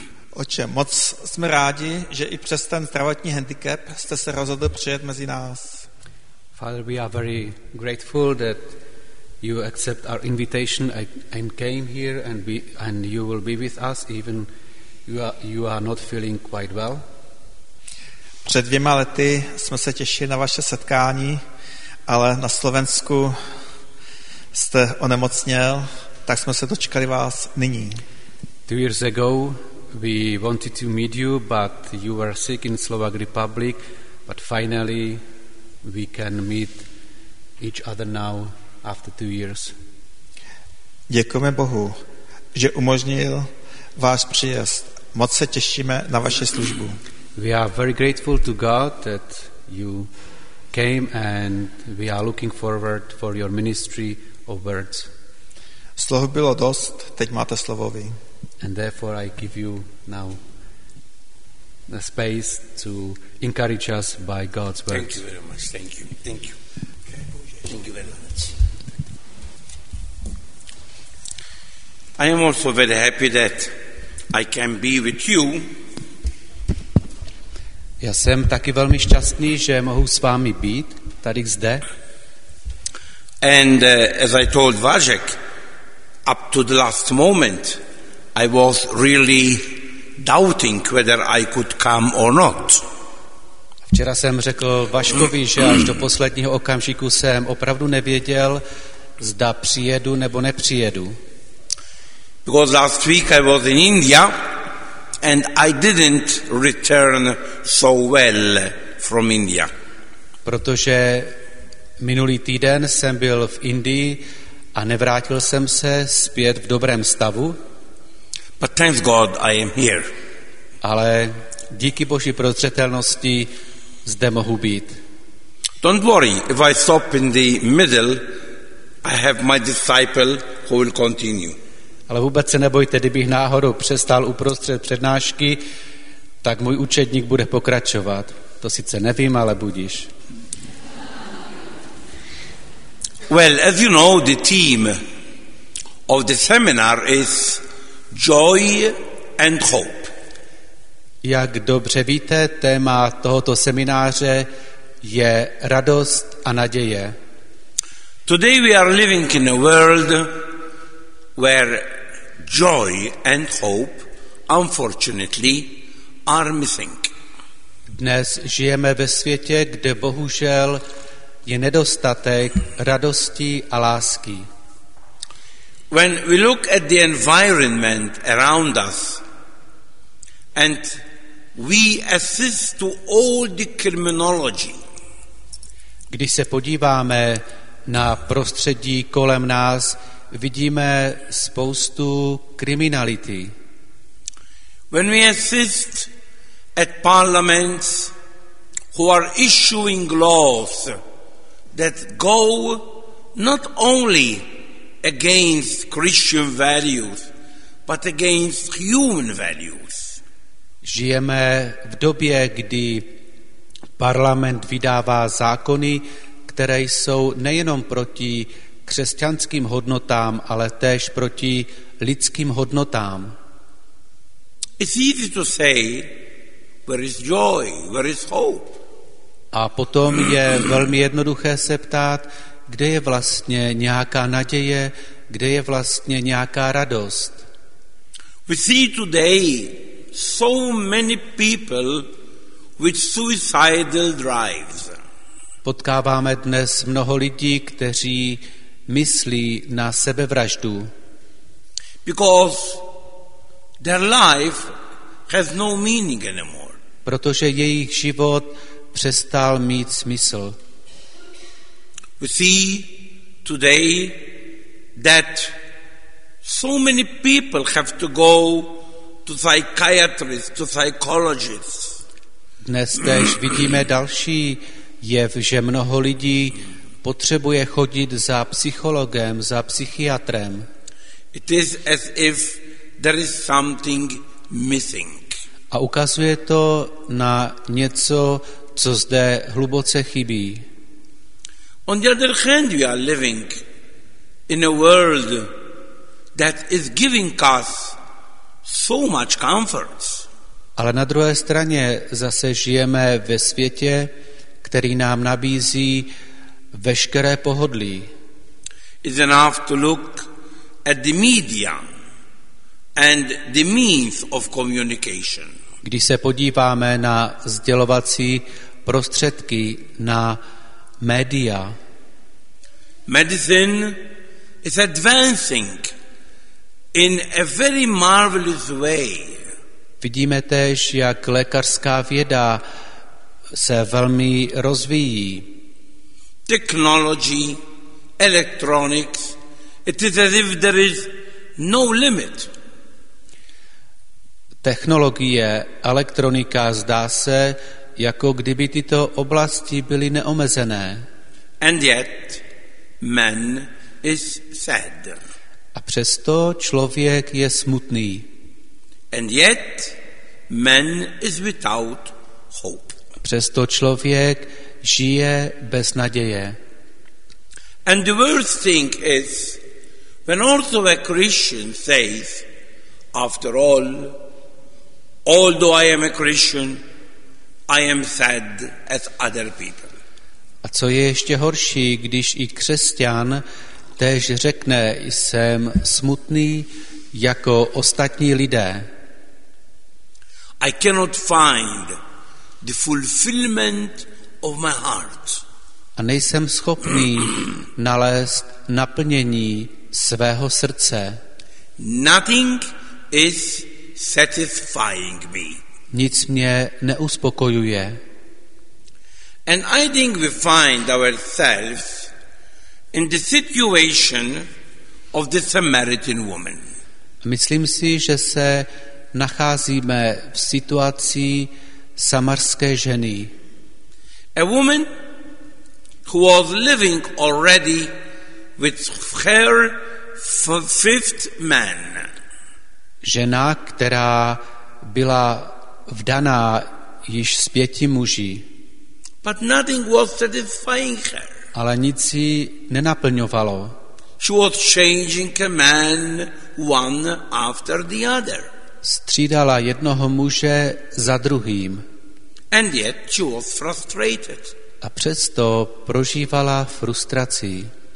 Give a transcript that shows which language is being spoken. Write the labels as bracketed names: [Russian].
[Czech] Oče, moc jsme rádi, že i přes ten zdravotní handicap jste se rozhodl přijet mezi nás. [English] Father, we are very grateful that you accept our invitation and came here and you will be with us even you are not feeling quite well. [Czech] Před dvěma lety jsme se těšili na vaše setkání, ale na Slovensku jste onemocněl, tak jsme se dočkali vás nyní. [English] 2 years ago we wanted to meet you, but you were sick in Slovak Republic, but finally we can meet each other now after 2 years. [Czech] Děkujeme Bohu, že umožnil váš příjezd. Moc se těšíme na vaši službu. [English] We are very grateful to God that you came and we are looking forward for your ministry of words. [Czech] Slovo bylo dost, teď máte slovo vy. [English] And therefore I give you now the space to encourage us by God's word. Thank you very much. Thank you. Thank you. Thank you very much. I am also very happy that I can be with you. [Czech] Já jsem taky velmi šťastný, že mohu s vámi být tady zde. [English] And as I told Vážek, up to the last moment I was really doubting whether I could come or not. [Czech] Včera jsem řekl Vaškovi, že až do posledního okamžiku jsem opravdu nevěděl, zda přijedu nebo nepřijedu. [English] Because last week I was in India and I didn't return so well from India. [Czech] Protože minulý týden jsem byl v Indii a nevrátil jsem se zpět v dobrém stavu. [English] But thanks God, I am here. [Czech] Ale díky Boží prozřetelnosti zde mohu být. [English] Don't worry, if I stop in the middle, I have my disciple who will continue. [Czech] Ale vůbec se nebojte, kdybych náhodou přestal uprostřed přednášky, tak můj učedník bude pokračovat. To sice nevím, ale budiš. [English] Well, as you know, the theme of the seminar is joy and hope. [Czech] Jak dobře víte, téma tohoto semináře je radost a naděje. [English] Today we are living in a world where joy and hope, unfortunately, are missing. [Czech] Dnes žijeme ve světě, kde bohužel je nedostatek radosti a lásky. [English] When we look at the environment around us and we assist to all the criminology. [Czech] Když se podíváme na prostředí kolem nás, vidíme spoustu kriminality. [English] When we assist at parliaments who are issuing laws that go not only against Christian values, but against human values. [Czech] Žijeme v době, kdy parlament vydává zákony, které jsou nejenom proti křesťanským hodnotám, ale též proti lidským hodnotám. [English] It's easy to say, where is joy, where is hope? [Czech] A potom je velmi jednoduché se ptát, kde je vlastně nějaká naděje, kde je vlastně nějaká radost. [English] We see today so many people with suicidal drives. [Czech] Potkáváme dnes mnoho lidí, kteří myslí na sebevraždu. [English] Because their life has no meaning anymore. [Czech] Protože jejich život přestal mít smysl. [English] We see today that so many people have to go to psychiatrists, to psychologists. [Czech] Dnes též vidíme další jev, že mnoho lidí potřebuje chodit za psychologem, za psychiatrem. [English] It is as if there is something missing. [Czech] A ukazuje to na něco, co zde hluboce chybí. [English] On the other hand, we are living in a world that is giving us so much comfort. [Czech] Ale na druhé straně zase žijeme ve světě, který nám nabízí veškeré pohodlí. [English] It's enough to look at the media and the means of communication. [Czech] Když se podíváme na sdělovací prostředky, na média. [English] Medicine is advancing in a very marvelous way. [Czech] Vidíme též, jak lékařská věda se velmi rozvíjí. [English] Technology, electronics, it is as if there is no limit. [Czech] Technologie, elektronika, zdá se, jako kdyby tyto oblasti byly neomezené. [English] And yet, man is sad. [Czech] A přesto člověk je smutný. [English] And yet, man is without hope. [Czech] Přesto člověk žije bez naděje. [English] And the worst thing is, when also a Christian says, after all, although I am a Christian, I am sad as other people. [Czech] A co je ještě horší, když i křesťan též řekne, jsem smutný jako ostatní lidé. [English] I cannot find the fulfillment of my heart. [Czech] A nejsem schopný nalézt naplnění svého srdce. [English] Nothing is satisfying me. [Czech] Nic mě neuspokojuje. [English] And I think we find ourselves in the situation of the Samaritan woman. [Czech] Myslím si, že se nacházíme v situaci samarské ženy. [English] A woman who was living already with her fifth man. [Czech] Žena, která byla vdaná již s pěti muži. [English] But nothing was satisfying her. [Czech] Ale nic jí nenaplňovalo. [English] She was changing a man one after the other. [Czech] Střídala jednoho muže za druhým. [English] And yet she was frustrated. [Czech] A přesto prožívala frustraci.